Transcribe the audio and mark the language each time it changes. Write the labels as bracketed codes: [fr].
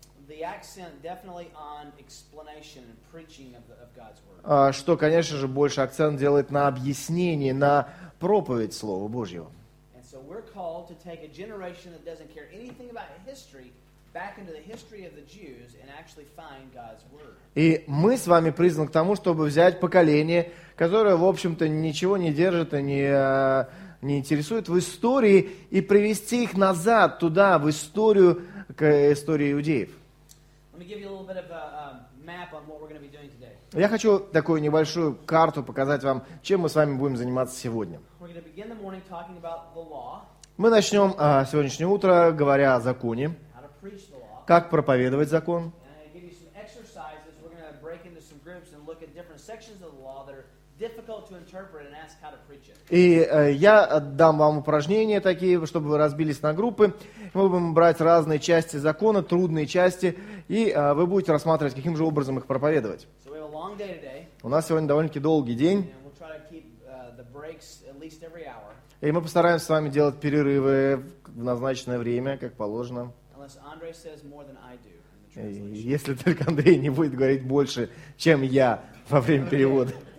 [en] The accent definitely on explanation and preaching of God's word. [ru] Что, конечно же, больше акцент делает на объяснении, на проповедь Слова Божьего. [en] And so we're called to take a generation that doesn't care anything about history back into the history of the Jews and actually find God's word. [ru] И мы с вами призваны к тому, чтобы взять поколение, которое, в общем-то, ничего не держит и не интересует в истории, и привести их назад туда, в историю, к истории иудеев. [en] Let me give you a little bit of a map on what we're going to be doing today. [ru] Я хочу такую небольшую карту показать вам, чем мы с вами будем заниматься сегодня. [en] We're going to begin the morning talking about the law. [ru] Мы начнем сегодняшнее утро, говоря о законе. [en] How to preach the law. [ru] Как проповедовать закон. [en] And I'm going to give you some exercises. We're going to break into some groups and look at different sections of the law that are difficult to interpret and ask how to preach it. [ru] И я дам вам упражнения такие, чтобы вы разбились на группы. Мы будем брать разные части закона, трудные части, и вы будете рассматривать, каким же образом их проповедовать. [en] So we have a long day today. [ru] У нас сегодня довольно-таки долгий день. [en] And we'll try to keep the breaks at least every hour. [ru] И мы постараемся с вами делать перерывы в назначенное время, как положено. [en] Unless Andre says more than I do. [ru] Если только Андрей не будет говорить больше, чем я во время перевода.